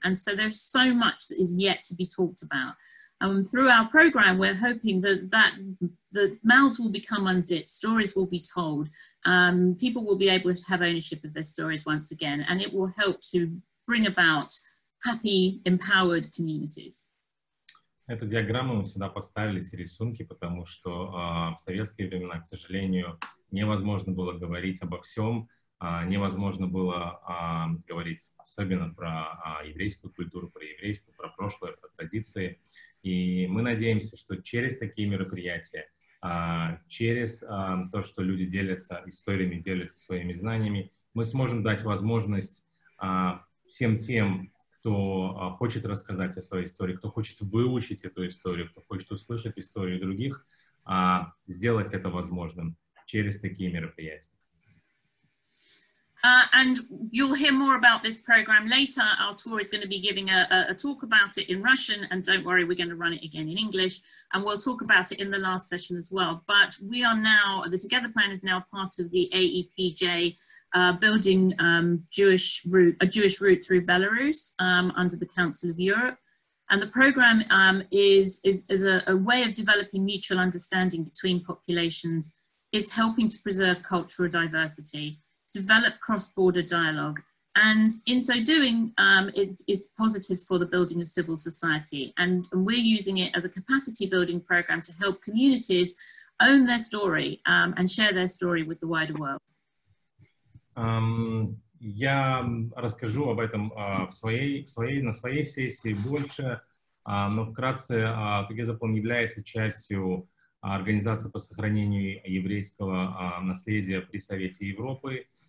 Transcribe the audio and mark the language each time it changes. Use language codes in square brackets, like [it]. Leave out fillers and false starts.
[en] And so there's so much that is yet to be talked about. Through our program, we're hoping that the mouths will become unzipped, stories will be told, people will be able to have ownership of their stories once again, and it will help to bring about happy, empowered communities. [ru] Эту диаграмму мы сюда поставили, эти рисунки, потому что в советские времена, к сожалению, невозможно было говорить обо всем, невозможно было говорить особенно про еврейскую культуру, про еврейство, про прошлое, про традиции. И мы надеемся, что через такие мероприятия, через то, что люди делятся историями, делятся своими знаниями, мы сможем дать возможность всем тем, кто хочет рассказать о своей истории, кто хочет выучить эту историю, кто хочет услышать историю других, сделать это возможным через такие мероприятия. [en] And you'll hear more about this program later. Artur is going to be giving a talk about it in Russian, and don't worry, we're going to run it again in English, and we'll talk about it in the last session as well. But we are now, the Together Plan is now part of the AEPJ building a Jewish route through Belarus under the Council of Europe. And the program is a way of developing mutual understanding between populations. It's helping to preserve cultural diversity, develop cross-border dialogue, and in so doing, it's positive for the building of civil society. And we're using it as a capacity building program to help communities own their story and share their story with the wider world. [ru] Я расскажу об этом на своей сессии больше, но вкратце, Together Plan является частью организации по сохранению еврейского наследия при Совете Европы.